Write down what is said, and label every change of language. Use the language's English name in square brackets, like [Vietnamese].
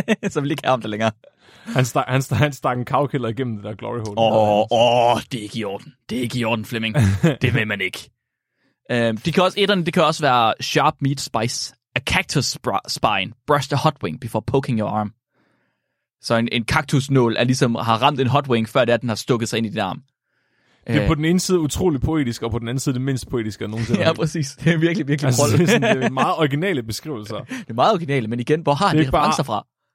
[Danish] Så vil ikke have ham der længere. Han stak en cowkiller igennem det der glory hole. Åh, det er ikke i orden. Det er ikke i orden, Flemming. Det vil man ikke. Det kan også være [English] sharp meat spice. A cactus spine brushed a hot wing before poking your arm. [Danish] Så en kaktusnål er ligesom har ramt en hot wing, før det er, den har stukket sig ind i din arm. Det er på den ene side utrolig poetisk, og på den anden side det mindst poetiske af nogensinde. Ja, præcis. Det er virkelig, virkelig altså, det er sådan, det er meget originale beskrivelser. Det er meget originale, men igen, hvor har han de referencer fra?